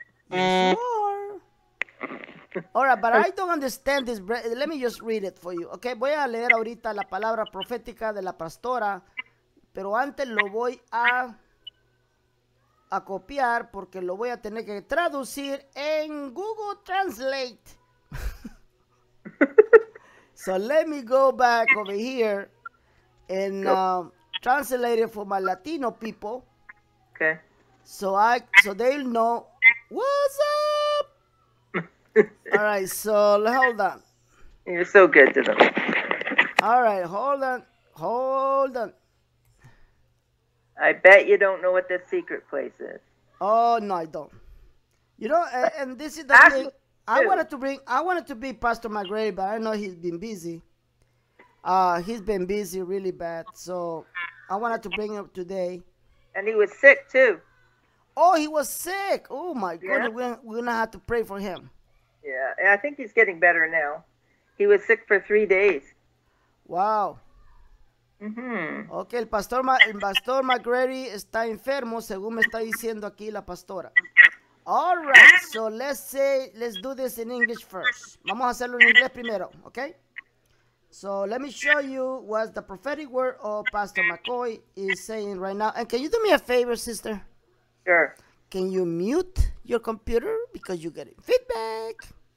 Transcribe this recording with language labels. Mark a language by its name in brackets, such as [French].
[English] You are. All right, but I don't understand this. Let me just read it for you. [Spanish] Okay, voy a leer ahorita la palabra profética de la pastora, pero antes lo voy a copiar porque lo voy a tener que traducir en Google Translate. [English] So let me go back over here and translate it for my Latino people. Okay. So they'll know what's up. All right, so hold on. You're so good to them. All right, hold on. I bet you don't know what this secret place is. Oh no, I don't. You know, and this is the Ask thing too. I wanted to be Pastor McGrady, but I know he's been busy. He's been busy really bad, so I wanted to bring him today. And he was sick too. Oh, he was sick. Oh, my goodness. Yeah. We're going to have to pray for him. Yeah, I think he's getting better now. He was sick for 3 days. Wow. Mm-hmm. [Spanish] Okay, el pastor McGrady está enfermo, según me está diciendo aquí la pastora. [English] All right, so let's do this in English first. [Spanish] Vamos a hacerlo en inglés primero, [English] okay? So let me show you what the prophetic word of Pastor McCoy is saying right now. And can you do me a favor, sister? Sure. Can you mute your computer because you're getting feedback?